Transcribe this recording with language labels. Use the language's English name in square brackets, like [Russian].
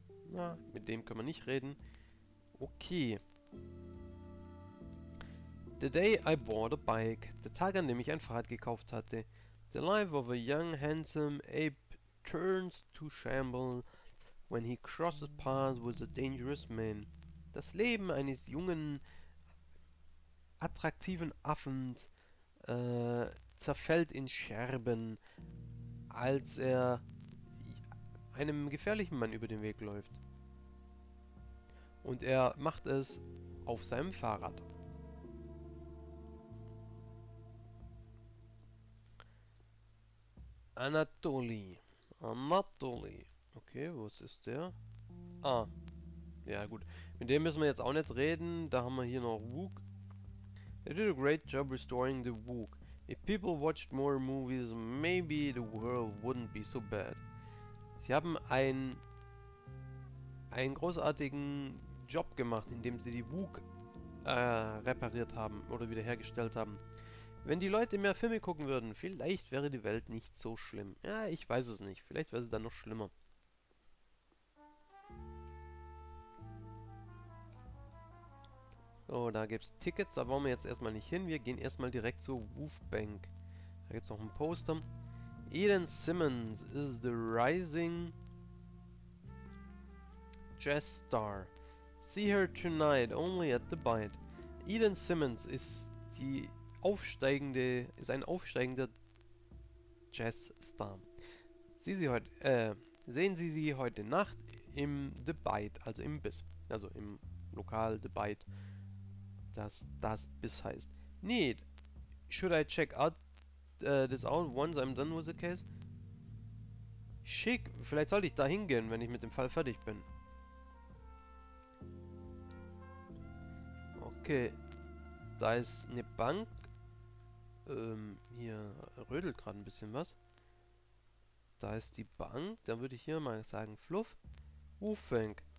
[German] Na, mit dem können wir nicht reden. Okay. [English] The day I bought a bike. [German] Der Tag, an dem ich ein Fahrrad gekauft hatte. [English] The life of a young, handsome ape turns to shamble when he crosses paths with a dangerous man. [German] Das Leben eines jungen, attraktiven Affens zerfällt in Scherben, als er einem gefährlichen Mann über den Weg läuft. Und er macht es auf seinem Fahrrad. Anatoli. Anatoli. Okay, was ist der? Ah. Ja, gut. Mit dem müssen wir jetzt auch nicht reden. Da haben wir hier noch Wook. [English] They did a great job restoring the Wook. If people watched more movies, maybe the world wouldn't be so bad. [German] Sie haben einen großartigen Job gemacht, indem sie die WUK repariert haben oder wiederhergestellt haben. Wenn die Leute mehr Filme gucken würden, vielleicht wäre die Welt nicht so schlimm. Ja, ich weiß es nicht. Vielleicht wäre sie dann noch schlimmer. So, da gibt es Tickets. Da wollen wir jetzt erstmal nicht hin. Wir gehen erstmal direkt zur Wolfbank. Da gibt es noch ein Poster. [English] Eden Simmons is the rising Jazz Star. See her tonight, only at the Bight. [German] Eden Simmons ist ein aufsteigender Jazzstar. Sehen Sie sie heute Nacht im The Bight, also im Biss, also im Lokal The Bight, das Biss heißt. Need. [English] Should I check this out once I'm done with the case? [German] Schick. Vielleicht sollte ich da hingehen, wenn ich mit dem Fall fertig bin. Okay, da ist eine Bank. Hier rödelt gerade ein bisschen was. Da ist die Bank. Dann würde ich hier mal sagen, Fluff. Wufeng.